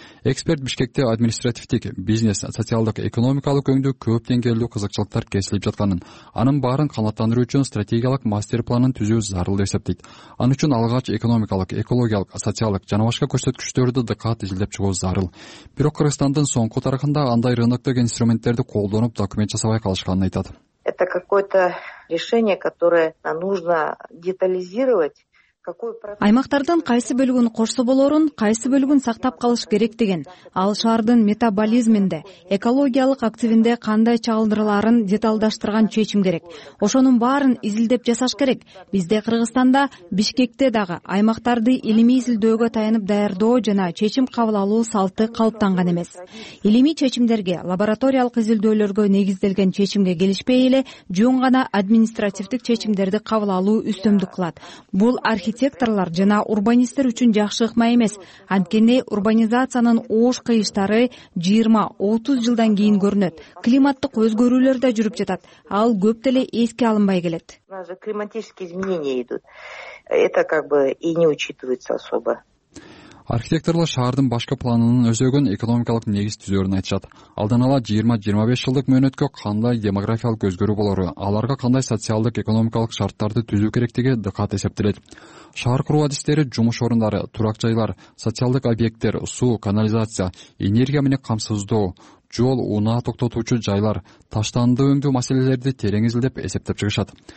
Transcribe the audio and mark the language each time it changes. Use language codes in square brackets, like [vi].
[ky] Эксперт Бишкекте административдик, бизнес, социалдык, экономикалык өңдүү көп деңгээлүү кызыкчылыктар кесилип жатканын, анын баарын канааттандыруу үчүн стратегиялык мастер планын түзүү зарыл деп эсептейт. Ан үчүн алгач экономикалык, экологиялык, социалдык жана башка көрсөткүчтөрдү дыкат изилдеп чыгуу зарыл. Бирок Кыргызстандын соңку тарыхында андай рынокто инструменттерди колдонуп документ жасабай калышканын айтат. [ru] это какое-то решение, которое нужно детализировать. [ky] Аймактардын кайсы бөлүгүн кошсо болорун, кайсы бөлүгүн сактап калыш керек деген, ал шаардын метаболизминде, экологиялык активинде кандай чагылдырларын деталдаштырган чечим керек. Ошонун баарын изилдеп жасаш керек. Бизде Кыргызстанда, Бишкекте дагы аймактарды илимий изилдөөгө таянып даярдоо жана чечим кабыл алуу салты калыптанган эмес. Илимий чечимдерге, лабораториялык изилдөөлөргө негизделген чечимге келишпей эле, жөн гана административдик чечимдерди кабыл алуу үстөмдүк кылат. Бул архитекторлар жана урбанисттер үчүн жакшы ыкма эмес. Анткени урбанизациянын ош кыйыштары 20-30 жылдан кийин көрүнөт. Климаттык өзгөрүүлөр да жүрүп жатат. Ал көп деле эске алынбай келет. [ru] Климатические изменения идут. Это как бы и не учитывается особо. [ky] Архитекторлор шаардын башкы планынын өзөгүн экономикалык негиз түзөрүн айтышат. Алдын ала 20-25 жылдык мөөнөткө кандай демографиялык өзгөрүү болору, аларга кандай социалдык экономикалык шарттарды түзүү керектиги дыкат эсептелет. Шаар куруу адистери жумуш орундары, турак жайлар, социалдык объекттер, суу, канализация, энергия менен камсыздоо, жол, унаа токтотуучу жайлар, таштанды өңдүү маселелерди терең изилдеп эсептеп чыгышат.